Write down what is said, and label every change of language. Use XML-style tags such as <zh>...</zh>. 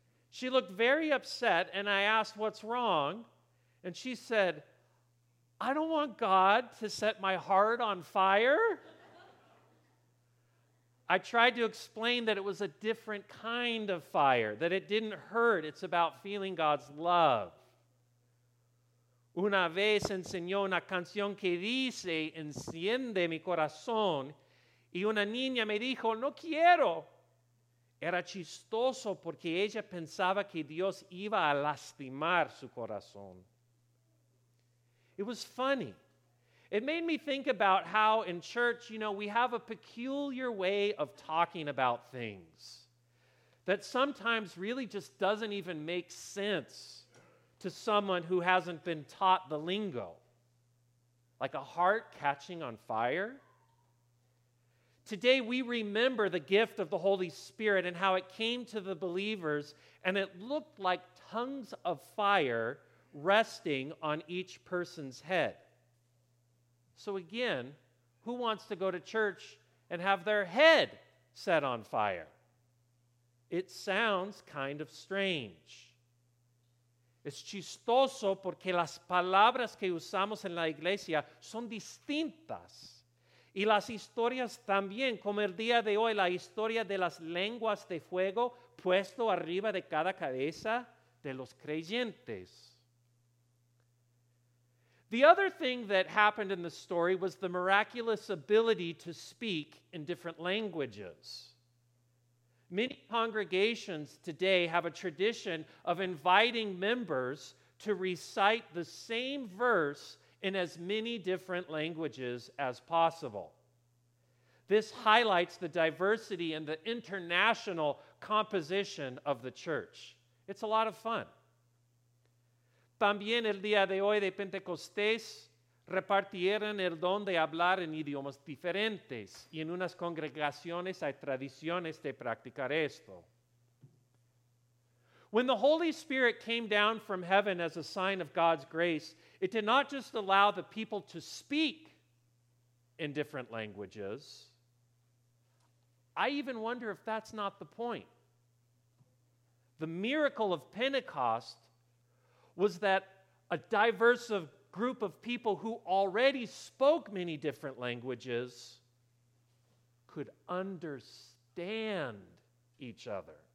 <en>She looked very upset, and I asked, "What's wrong?" And she said, "I don't want God to set my heart on fire." I tried to explain that it was a different kind of fire, that it didn't hurt. It's about feeling God's love.</en> <es>Una vez enseñó una canción que dice, "Enciende mi corazón." Y una niña me dijo, "No quiero." Era chistoso porque ella pensaba que Dios iba a lastimar su corazón.</es> <en>It was funny. It made me think about how in church, you know, we have a peculiar way of talking about things that sometimes really just doesn't even make sense to someone who hasn't been taught the lingo. Like a heart catching on fire. Today we remember the gift of the Holy Spirit and how it came to the believers and it looked like tongues of fire resting on each person's head. So again, who wants to go to church and have their head set on fire? It sounds kind of strange.</en> <es>Es chistoso porque las palabras que usamos en la iglesia son distintas. Y las historias también, como el día de hoy, la historia de las lenguas de fuego puesto arriba de cada cabeza de los creyentes.</es> <en>The other thing that happened in the story was the miraculous ability to speak in different languages. Many congregations today have a tradition of inviting members to recite the same verse in as many different languages as possible. This highlights the diversity and the international composition of the church. It's a lot of fun.</en> <es>También el día de hoy de Pentecostés repartieron el don de hablar en idiomas diferentes y en unas congregaciones hay tradiciones de practicar esto.</es> <en>When the Holy Spirit came down from heaven as a sign of God's grace, it did not just allow the people to speak in different languages. I even wonder if that's not the point. The miracle of Pentecost was that a diverse group of people who already spoke many different languages could understand each other.</en>